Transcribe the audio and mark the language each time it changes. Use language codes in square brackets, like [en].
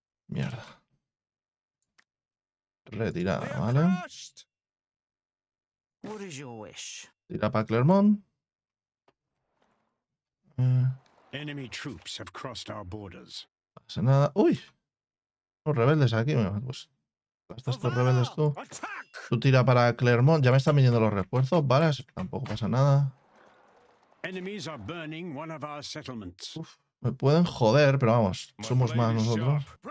[es] Mierda. Retirada, ¿vale? [en] What is your wish? [es] Tira para Clermont. [en] Enemy troops have crossed our borders. [es] No pasa nada. ¡Uy! Los rebeldes aquí. Pues, ¿estás tú rebeldes tú? Tú tira para Clermont. Ya me están viniendo los refuerzos. Vale, tampoco pasa nada. [en] Enemies are burning one of our settlements. [es] Uf, me pueden joder, pero vamos. Somos más nosotros.